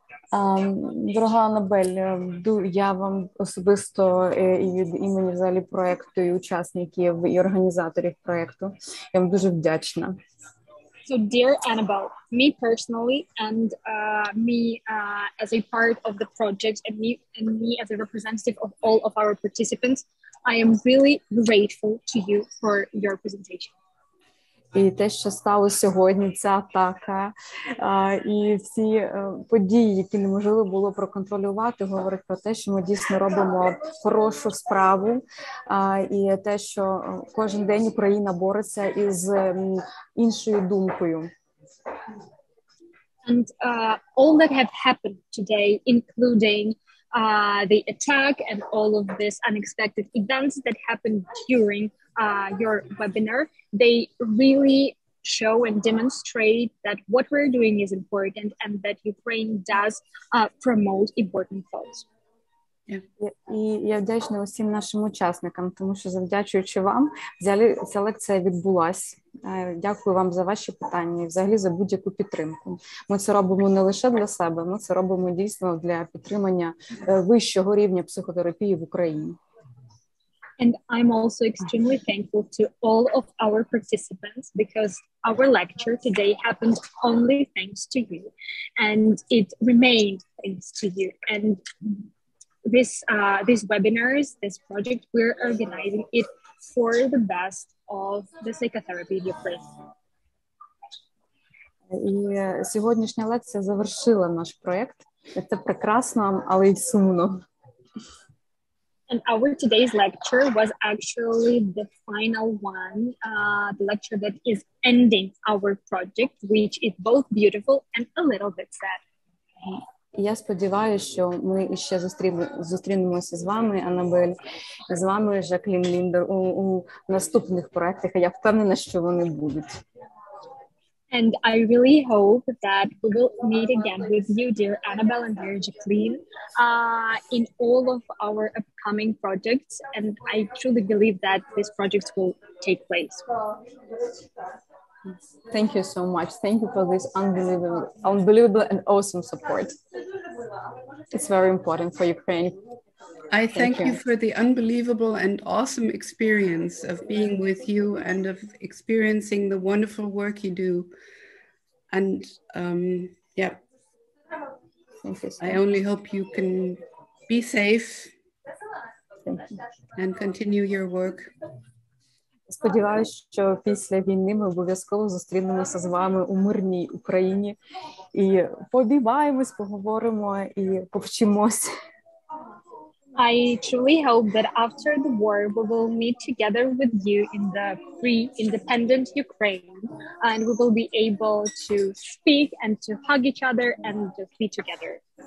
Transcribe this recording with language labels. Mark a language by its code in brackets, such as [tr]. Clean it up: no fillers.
[uk] Дорога Анабель, я вам особисто і від імені взагалі проєкту, і учасників, і організаторів проєкту, я вам дуже вдячна. [en] So, dear Annabel, me personally and me as a part of the project and me as a representative of all of our participants, I am really grateful to you for your presentation. [uk] І те, що стало сьогодні, ця атака, і всі події, які неможливо було проконтролювати, говорить про те, що ми дійсно робимо хорошу справу, і те, що кожен день Україна бореться із іншою думкою. [en] And all that have happened today, including the attack and all of this unexpected events that happened during your webinar, they really show and demonstrate that what we're doing is important and that Ukraine does promote important thoughts. [uk] І я вдячна усім нашим учасникам, тому що завдячуючи вам, ця лекція відбулася. Дякую вам за ваші питання і взагалі за будь-яку підтримку. Ми це робимо не лише для себе, ми це робимо дійсно для підтримання вищого рівня психотерапії в Україні. [en] And I'm also extremely thankful to all of our participants, because our lecture today happened only thanks to you, and it remained thanks to you. And these webinars, this project, we're organizing it for the best of the psychotherapy in Ukraine. [uk] І сьогоднішня лекція завершила наш проєкт. Це прекрасно, але й сумно. [en] And our today's lecture was actually the final one, the lecture that is ending our project, which is both beautiful and a little bit sad. [uk] Я сподіваюся, що ми ще зустрінемося з вами, Анабель, з вами, Жаклін Ліндер, у наступних проектах. Я впевнена, що вони будуть. [en] And I really hope that we will meet again with you, dear Annabel and dear Jacqueline, in all of our upcoming projects. And I truly believe that these projects will take place. Thank you so much. Thank you for this unbelievable and awesome support. It's very important for Ukraine. I thank you for the unbelievable and awesome experience of being with you and of experiencing the wonderful work you do. And thank you so I only hope you can be safe and continue your work. [uk] Сподіваюсь, що після війни ми обов'язково зустрінемося з вами у мирній Україні і побиваємось, поговоримо і повчимось. [en] I truly hope that after the war we will meet together with you in the free independent Ukraine and we will be able to speak and to hug each other and just be together.